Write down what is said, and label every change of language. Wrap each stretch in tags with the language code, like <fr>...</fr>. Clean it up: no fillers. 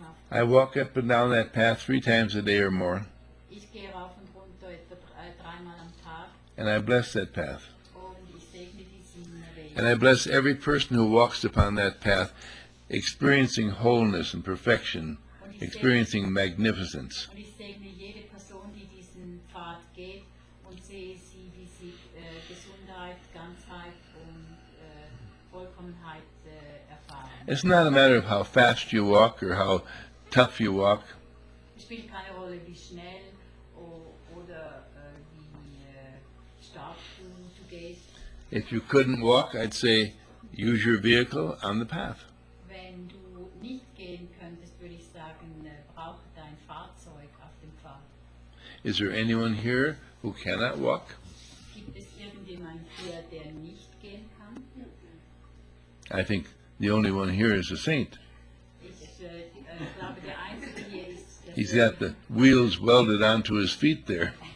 <en>I walk up and down that path 3 times a day or more.</en> <de>Ich gehe rauf und runter dreimal am Tag.</de> <en>And I bless that path.</en> <de>Und ich segne diesen Weg.</de> <en>And I bless every person who walks upon that path, experiencing wholeness and perfection, experiencing magnificence.</en> <de>Und ich segne jede Person, die diesen Pfad geht, und sehe sie, wie sie Gesundheit, Ganzheit und Vollkommenheit erfahren.</de> <en>It's not a matter of how fast you walk or how tough you walk.</en> <de>Es spielt keine Rolle, wie schnell oder wie stark du gehst.</de> <en>If you couldn't walk, I'd say use your vehicle on the path.</en> <de>Wenn du nicht gehen könntest, würde ich sagen, brauche dein Fahrzeug auf dem Pfad.</de> <en>Is there anyone here who cannot walk?</en> <de>Gibt es irgendjemand hier, der nicht gehen kann?</de> <en>I think the only one here is a saint. He's got the wheels welded onto his feet there.</en>